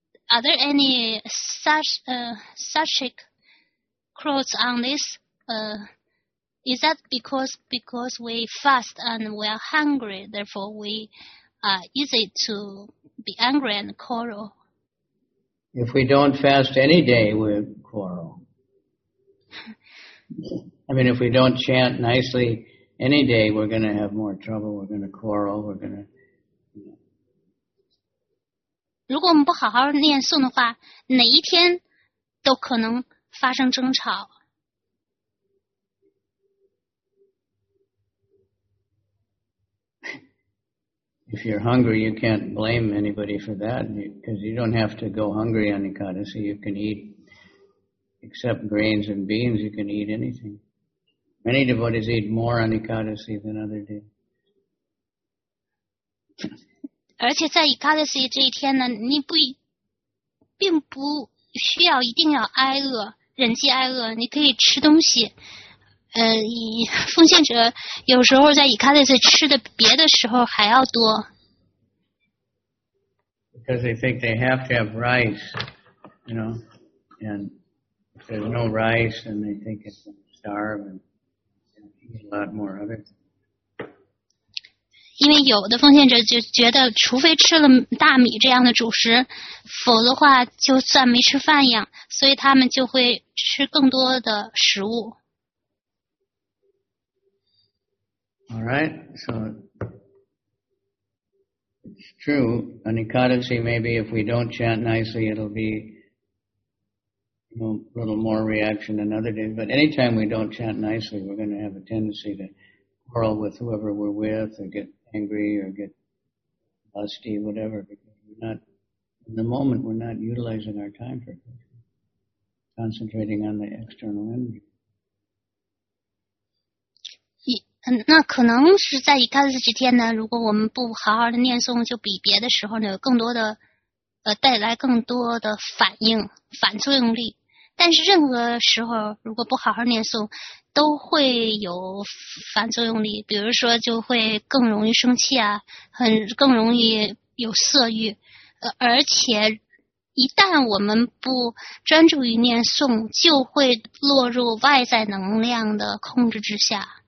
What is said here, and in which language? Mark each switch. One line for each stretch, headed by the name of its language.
English: Are there any suchcloths on this, is that because we fast and we are hungry, therefore we are easy to be angry and quarrel? If we don't fast any day, we quarrel. I mean, if we don't chant nicely any day, we're going to have more trouble, we're going to quarrel, we're going to...
Chinese: 如果我们不好好念诵的话，哪一天都可能发生争吵。
English: If you're hungry, you can't blame anybody for that, because you don't have to go hungry on Ekadasi. You can eat, except grains and beans, you can eat anything. Many devotees eat more on Ekadasi than other days.
Chinese: 而且在 Ekadasi 这一天呢，你并不需要一定要挨饿。忍饥挨饿，你可以吃东西。奉献者有时候在 Ekadasi 吃的别的时候还要多。
English: Because they think they have to have rice, you know, and if there's no rice, then they think it's starve and a lot more of it.
Chinese: 因为有的奉献者就觉得除非吃了大米这样的主食，否则的话就算没吃饭一样，所以他们就会吃更多的食物。
English: All right, so it's true. Anicadasi, maybe if we don't chant nicely, it'll be a little more reaction than other days. But anytime we don't chant nicely, we're going to have a tendency to quarrel with whoever we're with or get angry or get lusty, whatever. Because we're not, in the moment, we're not utilizing our time for it, concentrating on the external energy.
Chinese: 那可能是在一开始几天呢，如果我们不好好的念诵，就比别的时候呢有更多的带来更多的反应反作用力，但是任何时候如果不好好念诵都会有反作用力，比如说就会更容易生气啊，很更容易有色欲，而且一旦我们不专注于念诵就会落入外在能量的控制之下。